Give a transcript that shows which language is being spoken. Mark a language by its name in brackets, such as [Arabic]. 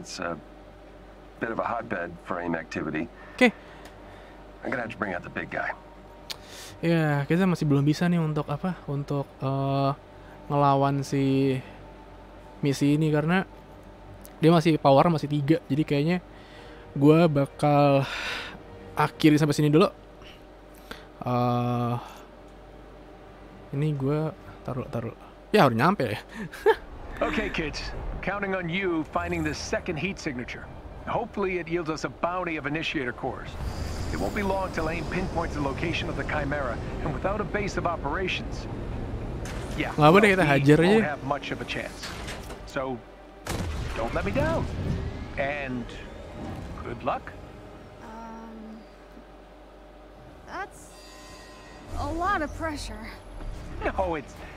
[English] It's a bit of a hotbed for AIM activity. [Indonesian] Oke. [English] I'm gonna have to bring out the big guy. [Indonesian] Ya, kita masih belum bisa nih untuk apa? Untuk ngelawan si misi ini karena dia masih power masih 3. Jadi kayaknya gue bakal akhiri sampai sini dulu. Ini gue taruh. Ya harus nyampe ya. [English] Okay kids, counting on you finding the second heat signature. Hopefully it yields us a bounty of initiator cores. It won't be long till AIM pinpoints the location of the Chimera and without a base of operations. [Indonesian] Yeah, nggak boleh kita hajar aja. [English] Much of a chance. So, don't let me down. And good luck. That's a lot of pressure. No, it's.